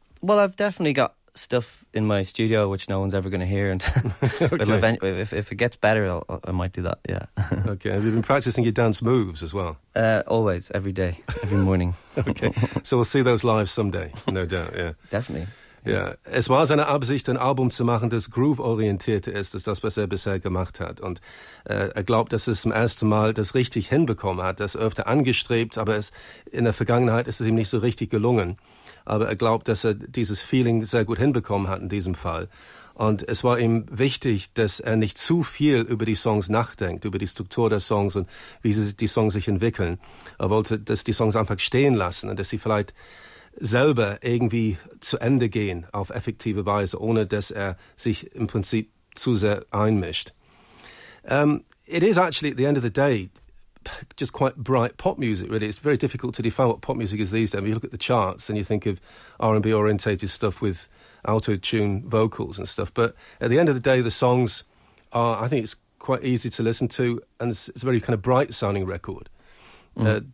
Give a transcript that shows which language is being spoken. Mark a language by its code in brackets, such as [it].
[en] Well, I've definitely got stuff in my studio which no one's ever going to hear. And okay. Eventually, if it gets better, I might do that, yeah. Okay, have you been practicing your dance moves as well? Always, every day, every morning. Okay, so we'll see those live someday, no doubt, yeah. Definitely. [de] Ja, es war seine Absicht, ein Album zu machen, das groove-orientierter ist als das, was er bisher gemacht hat. Und er glaubt, dass er es zum ersten Mal das richtig hinbekommen hat, das öfter angestrebt, aber es in der Vergangenheit ist es ihm nicht so richtig gelungen. Aber er glaubt, dass er dieses Feeling sehr gut hinbekommen hat in diesem Fall. Und es war ihm wichtig, dass er nicht zu viel über die Songs nachdenkt, über die Struktur der Songs und wie die Songs sich entwickeln. Er wollte, dass die Songs einfach stehen lassen und dass sie vielleicht selber irgendwie zu Ende gehen auf effektive Weise, ohne dass er sich im Prinzip zu sehr einmischt. [en] It is actually, at the end of the day, just quite bright pop music, really. It's very difficult to define what pop music is these days. I mean, you look at the charts and you think of R&B orientated stuff with auto-tune vocals and stuff. But at the end of the day, the songs are, I think it's quite easy to listen to, and it's a very kind of bright sounding record. Mm.